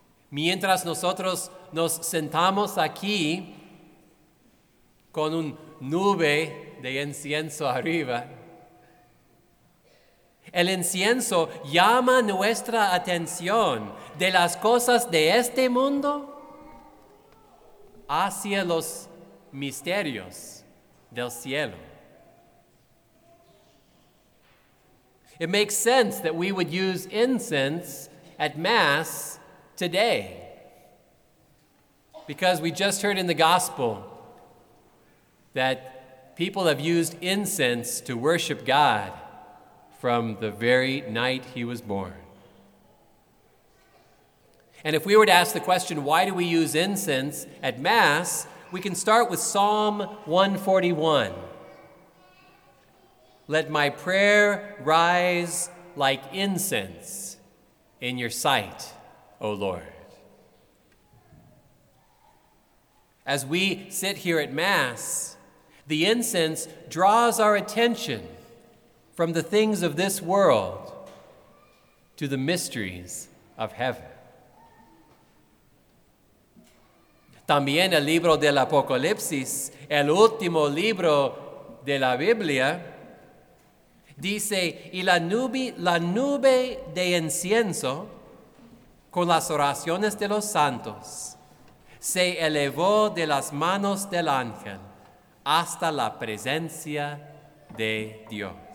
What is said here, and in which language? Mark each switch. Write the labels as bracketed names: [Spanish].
[Spanish] Mientras nosotros nos sentamos aquí con una nube de incienso arriba, el incienso llama nuestra atención de las cosas de este mundo hacia los misterios del cielo. [English] It makes sense that we would use incense at Mass today, because we just heard in the gospel that people have used incense to worship God from the very night he was born. And if we were to ask the question, why do we use incense at Mass, we can start with Psalm 141. Let my prayer rise like incense in your sight, O Lord. As we sit here at Mass, the incense draws our attention from the things of this world to the mysteries of heaven. [Spanish] También el libro del Apocalipsis, el último libro de la Biblia, dice, y la nube de incienso con las oraciones de los santos se elevó de las manos del ángel hasta la presencia de Dios.